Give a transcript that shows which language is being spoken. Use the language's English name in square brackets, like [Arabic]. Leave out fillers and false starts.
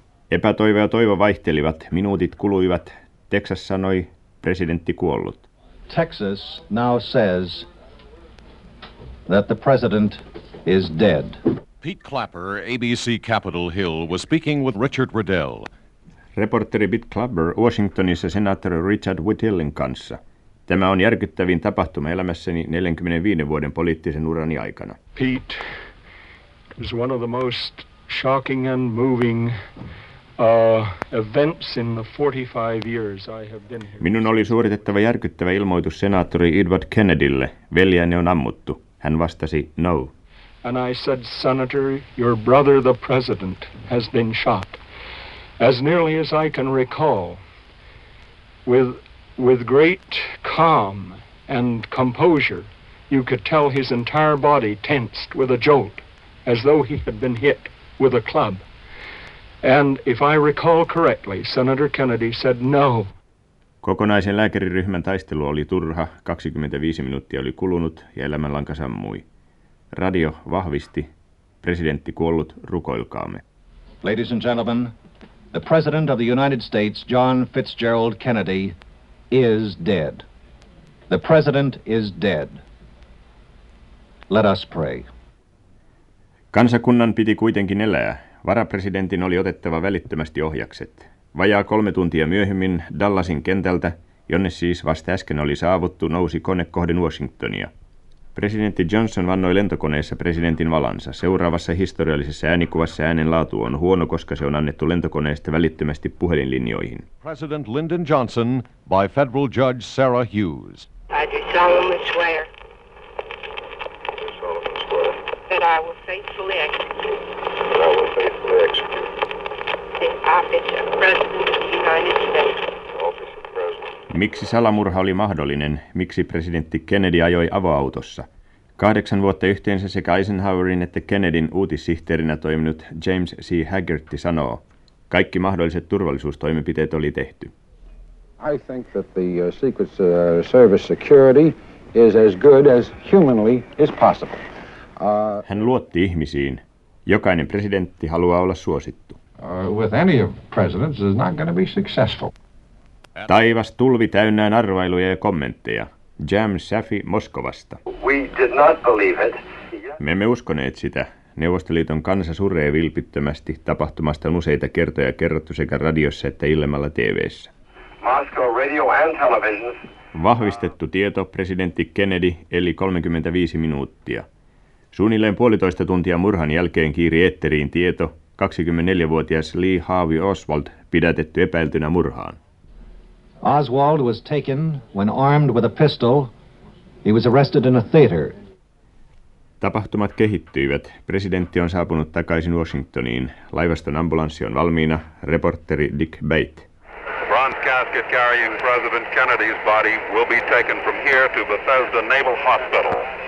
[Finnish] Epätoivo ja toivo vaihtelivat, minuutit kuluivat. Texas sanoi, presidentti kuollut. [English] Texas now says that the president is dead. Pete Clapper, ABC Capitol Hill, was speaking with Richard Riddell. [Finnish] Reporteri Pete Clapper Washingtonissa senaattori Richard Whittillin kanssa. Tämä on järkyttävin tapahtuma elämässäni 45 vuoden poliittisen urani aikana. [English] Pete was one of the most shocking and moving events in the 45 years I have been here. [Finnish] Minun oli suoritettava järkyttävä ilmoitus senaattori Edward Kennedylle. Veljeni on ammuttu. Hän vastasi: "No." [English] And I said, "Senator, your brother, the president, has been shot. As nearly as I can recall, with great calm and composure, you could tell his entire body tensed with a jolt, as though he had been hit with a club. And if I recall correctly, Senator Kennedy said no." [Finnish] Kokonaisen lääkäriryhmän taistelu oli turha. 25 minuuttia oli kulunut ja elämänlanka sammui. Radio vahvisti: presidentti kuollut, rukoilkaamme. [English] Ladies and gentlemen, the president of the United States, John Fitzgerald Kennedy, is dead. The president is dead. Let us pray. [Finnish] Kansakunnan piti kuitenkin elää. Varapresidentin oli otettava välittömästi ohjakset. Vajaa 3 tuntia myöhemmin Dallasin kentältä, jonne siis vasta äsken oli saavuttu, nousi kone kohden Washingtonia. Presidentti Johnson vannoi lentokoneessa presidentin valansa. Seuraavassa historiallisessa äänikuvassa äänen laatu on huono, koska se on annettu lentokoneesta välittömästi puhelinlinjoihin. [English] President Lyndon Johnson by federal judge Sarah Hughes. I do solemnly swear. I do solemnly swear. That I will faithfully execute. That I will faithfully execute. The duties of the office of President of the United States. [Finnish] Miksi salamurha oli mahdollinen? Miksi presidentti Kennedy ajoi avoautossa? 8 vuotta yhteensä sekä Eisenhowerin että Kennedyn uutissihteerinä toiminut James C. Haggerty sanoo, kaikki mahdolliset turvallisuustoimenpiteet oli tehty. [English] I think that the Secret Service security is as good as humanly is possible. [Finnish] Hän luotti ihmisiin. Jokainen presidentti haluaa olla suosittu. [English] With any of presidents is not going to be successful. [Finnish] Taivas tulvi täynnä arvailuja ja kommentteja. Jam Shafi Moskovasta. [English] We did not believe it. [Finnish] Me emme uskoneet sitä. Neuvostoliiton kansa suree vilpittömästi. Tapahtumasta on useita kertoja kerrottu sekä radiossa että ilmalla TV:ssä. [English] Moscow radio and television. [Finnish] Vahvistettu tieto, presidentti Kennedy eli 35 minuuttia. Suunnilleen 1.5 tuntia murhan jälkeen kiiri etteriin tieto, 24-vuotias Lee Harvey Oswald pidätetty epäiltynä murhaan. [English] Oswald was taken when armed with a pistol. He was arrested in a theater. [Finnish] Tapahtumat kehittyivät. Presidentti on saapunut takaisin Washingtoniin. Laivaston ambulanssi on valmiina. Reporteri Dick Bate. [English] The bronze casket carrying President Kennedy's body will be taken from here to Bethesda Naval Hospital.